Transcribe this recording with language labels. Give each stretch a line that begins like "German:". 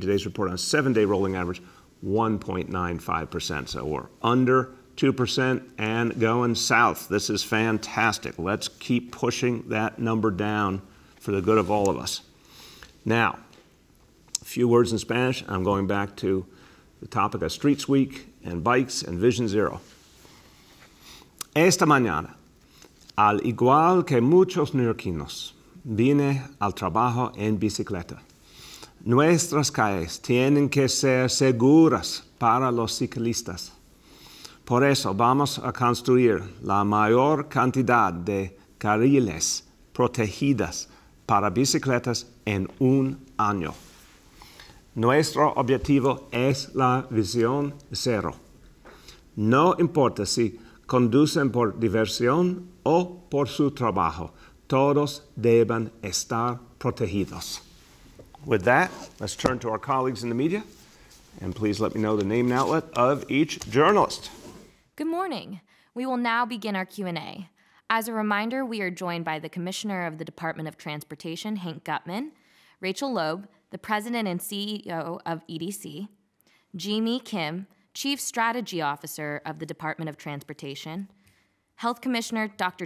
English: Today's report on a seven-day rolling average, 1.95%. So we're under 2% and going south. This is fantastic. Let's keep pushing that number down for the good of all of us. Now, a few words in Spanish. I'm going back to the topic of Streets Week and bikes and Vision Zero.
Spanish: Esta mañana, al igual que muchos neoyorquinos, vine al trabajo en bicicleta. Nuestras calles tienen que ser seguras para los ciclistas. Por eso vamos a construir la mayor cantidad de carriles protegidas para bicicletas en un año. Nuestro objetivo es la visión cero. No importa si conducen por diversión o por su trabajo, todos deben estar protegidos.
English: With that, let's turn to our colleagues in the media, and please let me know the name and outlet of each journalist. Good morning. We will now begin our Q&A. As a reminder, we are joined by the Commissioner of the Department of Transportation, Hank Gutman, Rachel Loeb, the President and CEO of EDC, Jimmy Kim, Chief Strategy Officer of the Department of Transportation, Health Commissioner Dr.